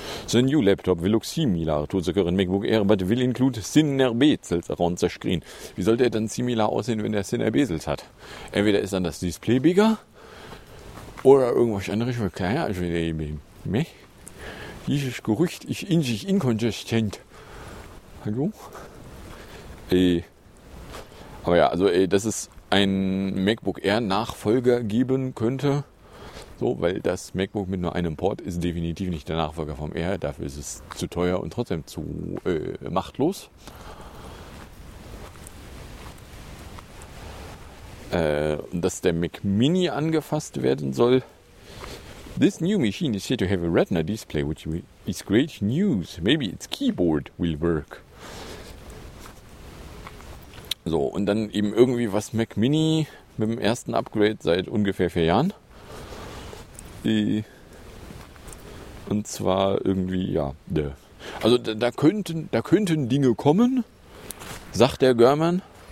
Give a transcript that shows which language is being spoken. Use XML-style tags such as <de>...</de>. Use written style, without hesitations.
<en>The new laptop will look similar to the current MacBook Air, but will include thinner bezels around the screen.</en> <de>Wie sollte er dann similar aussehen, wenn er</de> <en>thinner bezels</en> <de>hat? Entweder ist dann das Display bigger oder irgendwas anderes. Keine Ahnung. Dieses Gerücht ist in sich inkonsistent. Hallo? Aber ja, also dass es ein MacBook Air Nachfolger geben könnte, so, weil das MacBook mit nur einem Port ist definitiv nicht der Nachfolger vom Air. Dafür ist es zu teuer und trotzdem zu machtlos. Und dass der Mac Mini angefasst werden soll.</de> <en>This new machine is said to have a Retina display, which is great news. Maybe its keyboard will work.</en> <de>So, und dann eben irgendwie was Mac Mini mit dem ersten Upgrade seit ungefähr 4 Jahren. Und zwar irgendwie, ja, also da könnten Dinge kommen, sagt der Görman.</de>